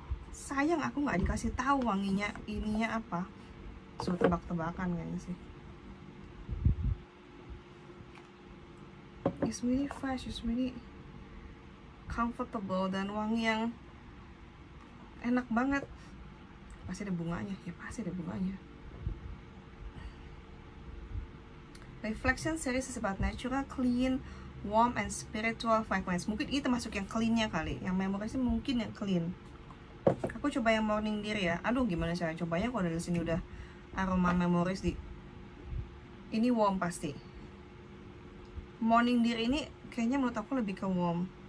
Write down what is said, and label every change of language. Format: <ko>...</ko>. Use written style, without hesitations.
<id>Sayang aku nggak dikasih tahu wanginya ininya apa, suruh tebak-tebakan kayaknya sih.</id> <en>It's really fresh, it's really comfortable</en> <id>dan wangi yang enak banget. Pasti ada bunganya, ya pasti ada bunganya.</id> <en>Reflection series is about natural, clean, warm and spiritual fragrance.</en> <id>Mungkin ini termasuk yang cleannya kali, yang memorisnya mungkin yang clean. Aku coba yang Morning Dear ya. Aduh, gimana cara cobanya kalau dari sini udah aroma Memories di ini warm pasti. Morning Dear ini kayaknya menurut aku lebih ke warm.</id>